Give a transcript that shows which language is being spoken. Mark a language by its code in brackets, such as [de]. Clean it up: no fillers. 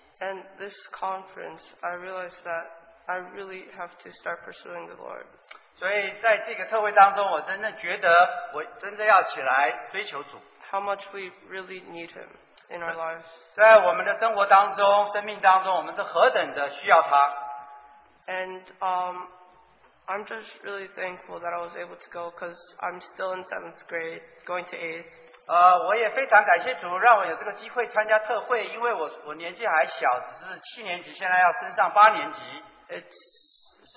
[en] And this conference, I realized that I really have to start pursuing the Lord. [zh] 所以在这个特会当中，我真的觉得我真的要起来追求主。 [en] How much we really need Him in our lives. [zh] 在我们的生活当中，生命当中，我们是何等的需要他。 [en] And I'm just really thankful that I was able to go because I'm still in 7th grade, going to 8th. [zh] 我也非常感谢主让我有这个机会参加特会，因为我年纪还小，只是七年级，现在要升上八年级。 [en] It's